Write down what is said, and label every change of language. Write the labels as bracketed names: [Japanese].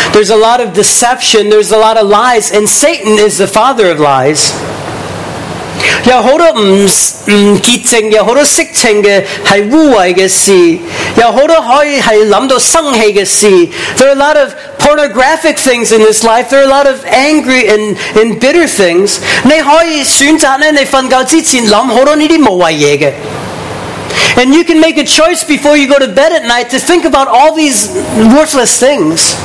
[English] There's a lot of deception. There's a lot of lies. And Satan is the father of lies. [Cantonese] 有好多唔洁净，有好多色情嘅，系污秽嘅事。有好多可以系谂到生气嘅事。 [English] There are a lot of pornographic things in this life. There are a lot of angry and bitter things. [Cantonese] 你可以选择咧，你瞓觉之前谂好多呢啲无谓嘢嘅。 [English] And you can make a choice before you go to bed at night to think about all these worthless things.